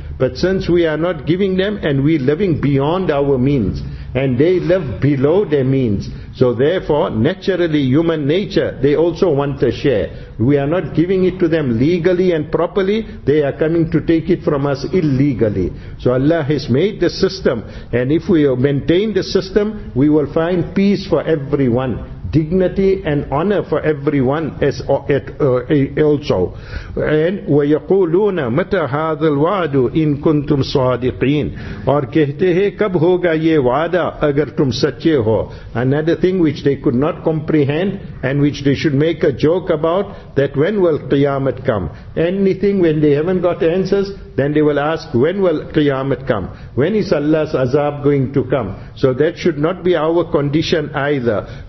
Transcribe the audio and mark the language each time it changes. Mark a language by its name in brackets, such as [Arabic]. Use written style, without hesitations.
[English] But since we are not giving them, and we are living beyond our means, and they live below their means, so therefore, naturally, human nature, they also want a share. We are not giving it to them legally and properly. They are coming to take it from us illegally. So Allah has made the system. And if we maintain the system, we will find peace for everyone. dignity and honor for everyone as also. [Urdu] And [Arabic] وَيَقُولُونَ مَتَى هَذَا الْوَعْدُ إِن كُنْتُمْ صَادِقِينَ [Urdu] اور کہتے ہیں کب ہوگا یہ وعدہ اگر تم سچے ہو. [English] Another thing which they could not comprehend and which they should make a joke about, that when will Qiyamah come? Anything when they haven't got answers, then they will ask, when will Qiyamah come? When is Allah's azab going to come? So that should not be our condition either.